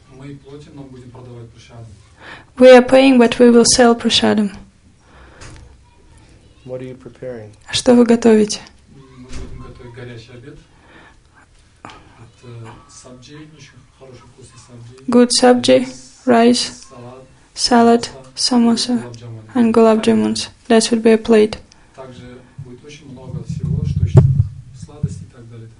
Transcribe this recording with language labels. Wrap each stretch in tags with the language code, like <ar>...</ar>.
<ru>Мы платим, но будем продавать прасадам.</ru> <en>We are paying, but we will sell prasadam. What are you preparing?</en> <ru>Что вы готовите? Мы будем готовить горячий обед. Это сабджи, очень хороший вкусный сабджи.</ru> <en>Good sabji, rice, salad, samosa, and gulab jamuns. That would be a plate.</en> <ru>Также будет очень много всего, что еще сладости и так далее.</ru>